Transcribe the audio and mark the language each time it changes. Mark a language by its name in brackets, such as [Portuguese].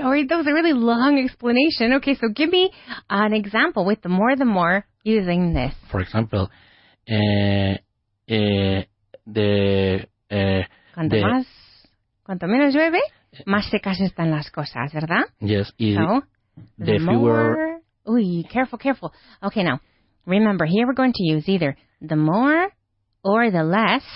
[English] All right, that was a really long explanation. Okay, so give me an example with the more using this. For example, [Spanish] cuanto menos llueve, más secas están las cosas, ¿verdad? [English] Yes. So, careful. Okay, now, remember, here we're going to use either the more or the less,